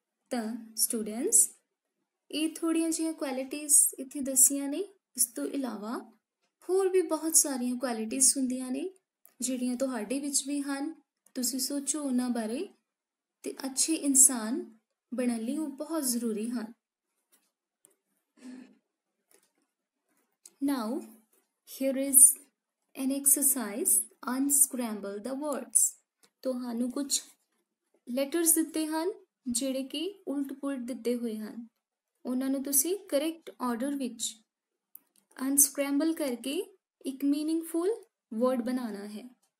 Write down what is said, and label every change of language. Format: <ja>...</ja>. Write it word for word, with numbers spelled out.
<pa>ਤਾਂ ਸਟੂਡੈਂਟਸ, ਇਹ ਥੋੜ੍ਹੀਆਂ ਜਿਹੀਆਂ ਕੁਆਲਿਟੀਜ਼ ਇੱਥੇ ਦੱਸੀਆਂ ਨੇ, ਇਸ ਤੋਂ ਇਲਾਵਾ ਹੋਰ ਵੀ ਬਹੁਤ ਸਾਰੀਆਂ ਕੁਆਲਿਟੀਜ਼ ਹੁੰਦੀਆਂ ਨੇ ਜਿਹੜੀਆਂ ਤੁਹਾਡੇ ਵਿੱਚ ਵੀ ਹਨ, ਤੁਸੀਂ ਸੋਚੋ ਉਹਨਾਂ ਬਾਰੇ ਤੇ ਅੱਛੇ ਇਨਸਾਨ ਬਣਨ ਲਈ ਉਹ ਬਹੁਤ ਜ਼ਰੂਰੀ ਹਨ।</pa> <en>Now, here is an exercise, unscramble the words.</en> <pa>ਤੁਹਾਨੂੰ ਕੁਝ ਲੈਟਰਸ ਦਿੱਤੇ ਹਨ ਜਿਹੜੇ ਕਿ ਉਲਟ-ਪੁਲਟ ਦਿੱਤੇ ਹੋਏ ਹਨ, ਉਹਨਾਂ ਨੂੰ ਤੁਸੀਂ ਕਰੈਕਟ ਆਰਡਰ ਵਿੱਚ ਅਨਸਕ੍ਰੈਂਬਲ ਕਰਕੇ ਇੱਕ ਮੀਨਿੰਗਫੁਲ ਵਰਡ ਬਣਾਉਣਾ ਹੈ।</pa>